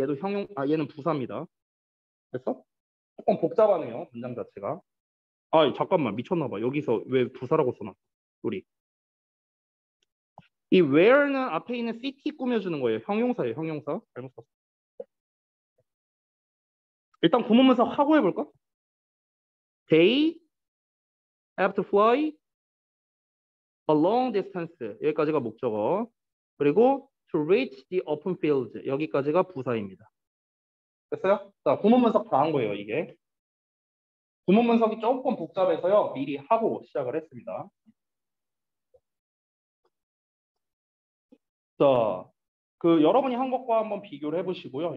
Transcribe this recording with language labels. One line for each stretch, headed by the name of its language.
Korean: 얘도 형용, 아, 얘는 부사입니다. 그렇죠? 조금 복잡하네요, 문장 자체가. 아, 잠깐만. 미쳤나 봐. 여기서 왜 부사라고 써놨어? 우리. 이 where는 앞에 있는 city 꾸며주는 거예요. 형용사예요, 형용사. 잘못 썼어. 일단 구문 문서 하고 해볼까?
English: They have to fly a long distance.
Korean: 여기까지가 목적어.
English: 그리고 to reach the open fields.
Korean: 여기까지가 부사입니다. 됐어요? 자, 구문 문서 다한 거예요, 이게. 구문 문서가 조금 복잡해서요. 미리 하고 시작을 했습니다. 자, 그 여러분이 한 것과 한번 비교를 해보시고요.